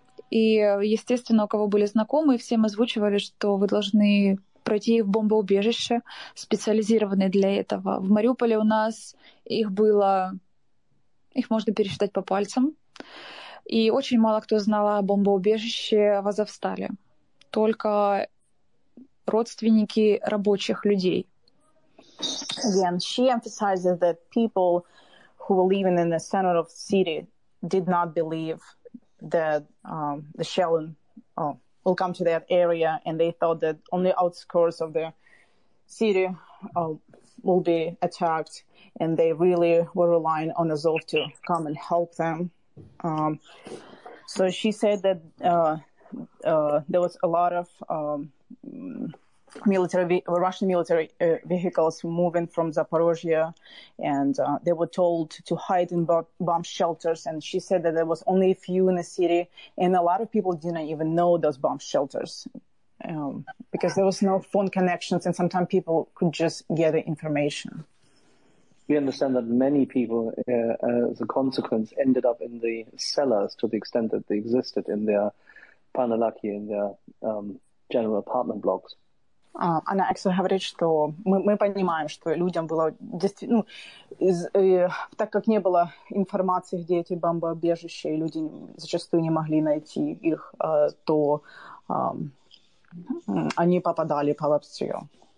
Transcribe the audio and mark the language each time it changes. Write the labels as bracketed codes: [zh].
[ru] И, естественно, у кого были знакомые, всем озвучивали, что вы должны пройти их в бомбоубежище, специализированное для этого. В Мариуполе у нас их было... Их можно пересчитать по пальцам. И очень мало кто знал о бомбоубежище в Азовстале. Только родственники рабочих людей. [en] Again, she emphasizes that people who were living in the center of the city did not believe that the shelling will come to that area, and they thought that only outskirts of the city will be attacked, and they really were relying on Azov to come and help them. So she said that there was a lot of Russian military vehicles moving from Zaporozhye, and they were told to hide in bomb shelters. And she said that there was only a few in the city, and a lot of people didn't even know those bomb shelters because there was no phone connections, and sometimes people could just get the information. We understand that many people, as a consequence, ended up in the cellars to the extent that they existed in their panelaki, in their general apartment blocks. [ru] Она actually говорит, что мы понимаем, что людям было действительно, так как не было информации, где эти бомбоубежища, и люди зачастую не могли найти их, то они попадали под обстрел.